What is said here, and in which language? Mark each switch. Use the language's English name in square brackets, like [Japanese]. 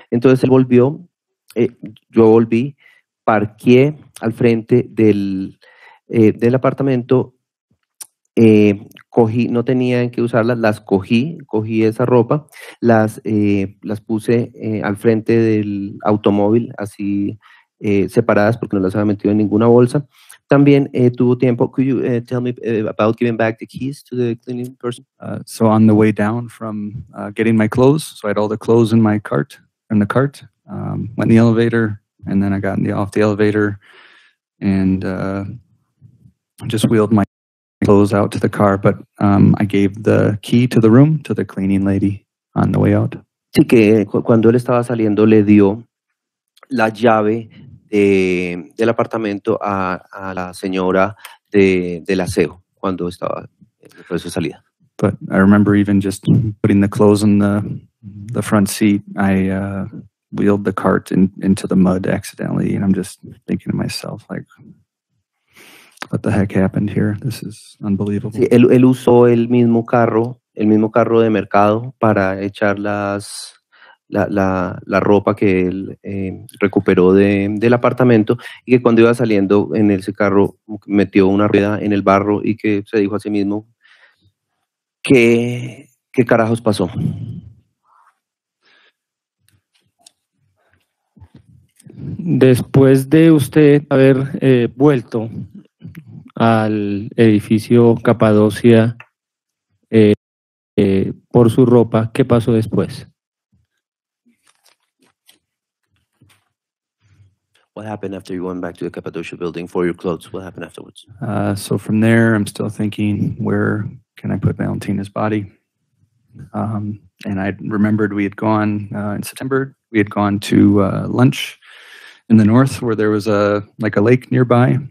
[Spanish] Entonces él volvió, yo volví, parqué al frente del apartamento, cogí, no tenía en qué usarlas, las cogí esa ropa, las puse al frente del automóvil, así separadas, porque no las había metido en ninguna bolsa. También tuvo tiempo. [English] Could you tell me about giving back the keys to the cleaning person? So on the way down from getting my clothes, so I had all the clothes in my cart, in the cart, went in the elevator, and then I got off the elevator and just wheeled my clothes out to the car, but I gave the key to the room to the cleaning lady on the way out. [Spanish] Sí, que cuando él estaba saliendo le dio la llave del apartamento a la señora del aseo cuando estaba después de su salida. [English] But I remember even just putting the clothes in the front seat, I wheeled the cart into the mud accidentally, and I'm just thinking to myself, like, what the heck happened here? This is unbelievable. [Spanish] Sí, él usó el mismo carro de mercado para echar la ropa que él recuperó del apartamento, y que cuando iba saliendo en ese carro metió una rueda en el barro, y que se dijo a sí mismo, ¿qué carajos pasó? Después de usted haber vuelto al edificio Capadocia por su ropa, ¿qué pasó después? [English] What happened after you went back to the Cappadocia building for your clothes? What happened afterwards? So from there, I'm still thinking, where can I put Valentina's body? And I remembered we had gone in September. We had gone to lunch in the north, where there was a lake nearby.